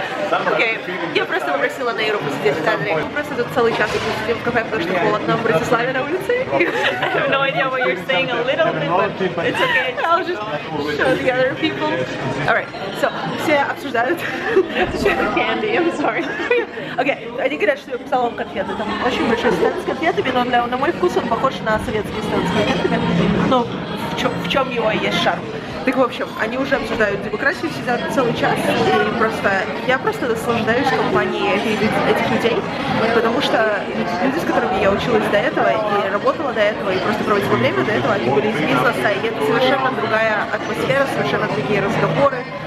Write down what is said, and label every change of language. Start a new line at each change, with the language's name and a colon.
Russian: Окей, я просто попросила Нейру посидеть в кадре. Мы просто тут целый час сидим в кафе, потому что холодно в Братиславе на улице.
English: I have no idea what you're saying a little bit, but it's okay. I'll just show the other people. Alright, so,
Russian: все обсуждают.
English: Share the candy, I'm sorry.
Russian: Окей, они говорят, что я писала вам конфеты. Там очень большой стенд с конфетами, но на мой вкус он похож на советский стенд с конфетами. Ну, в чем его есть шарм? Так, в общем, они уже обсуждают демократию, сидят целый час, и просто я просто наслаждаюсь компанией этих людей, потому что люди, с которыми я училась до этого, и работала до этого, и просто проводила время до этого, они были из бизнеса, и это совершенно другая атмосфера, совершенно другие разговоры,